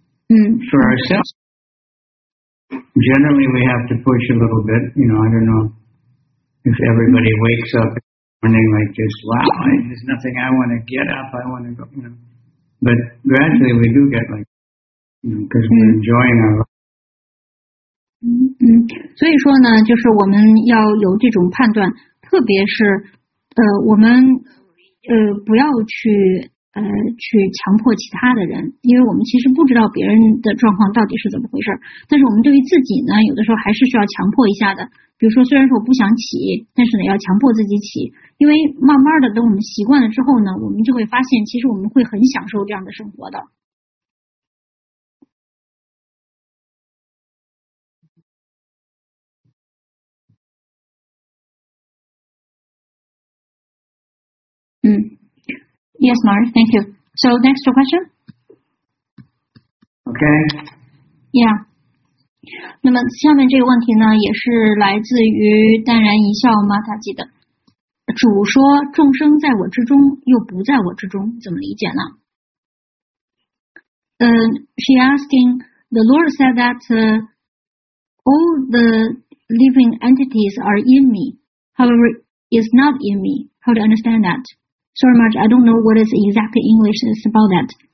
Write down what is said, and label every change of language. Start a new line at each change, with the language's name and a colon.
English: For ourselves, generally we have to push a little bit, you know, I don't know if everybody wakes up in the morning like just, wow, there's nothing, I want to get up, I want to go, you know. But gradually we do get like, you know, because we're enjoying our life.
Chinese: 所以说呢，就是我们要有这种判断，特别是我们不要去强迫其他的人，因为我们其实不知道别人的状况到底是怎么回事，但是我们对于自己呢，有的时候还是需要强迫一下的。比如说虽然说我不想起，但是呢要强迫自己起，因为慢慢的等我们习惯了之后呢，我们就会发现其实我们会很享受这样的生活的。
English: Yes, Mark, thank you. So, next question? Okay. Yeah.
Chinese: 那么下面这个问题呢，也是来自于淡然一笑马塔吉的。主说众生在我之中，又不在我之中，怎么理解呢？
English: She asking, the Lord said that all the living entities are in me, however, is not in me. How to understand that? Sorry, Marge, I don't know what is exact English is about that.